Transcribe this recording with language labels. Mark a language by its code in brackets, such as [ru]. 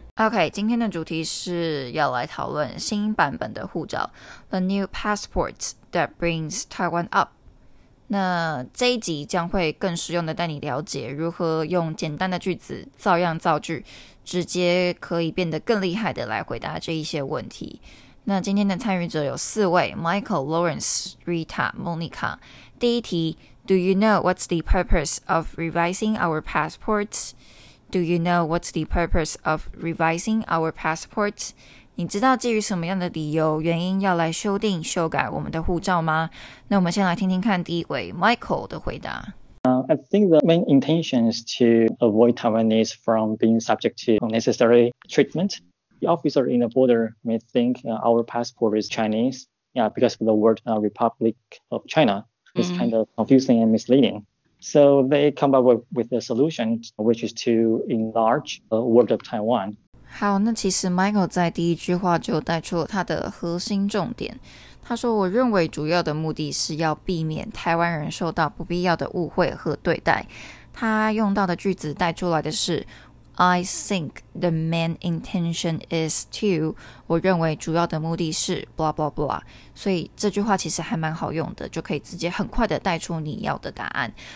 [zh] OK， 今天的主题是要来讨论新版本的护照 ， [en] The new passport that brings Taiwan up。 [zh] 那这一集将会更实用的带你了解如何用简单的句子照样造句，直接可以变得更厉害的来回答这一些问题。那今天的参与者有四位 Michael, Lawrence, Rita, Monica。第一题 [en] Do you know what's the purpose of revising our passports? Do you know what's the purpose of revising our passports? [zh] 你知道基于什么样的理由原因要来修订修改我们的护照吗？那我们先来听听看第一位 Michael 的回答。 [en] I think the main intention is to avoid Taiwanese from being subject to unnecessary treatment. The officer in the border may think our passport is Chinese, yeah, because of the word Republic of China is kind of confusing and misleading. So they come up with a solution, which is to enlarge the word of Taiwan. [zh] 好，那其实 Michael 在第一句话就带出了他的核心重点。他说，我认为主要的目的是要避免台湾人受到不必要的误会和对待。他用到的句子带出来的是 [en] I think the main intention is to, [zh] 我认为主要的目的是 [en] blah blah blah, [zh] 所以这句话其实还蛮好用的，就可以直接很快的带出你要的答案。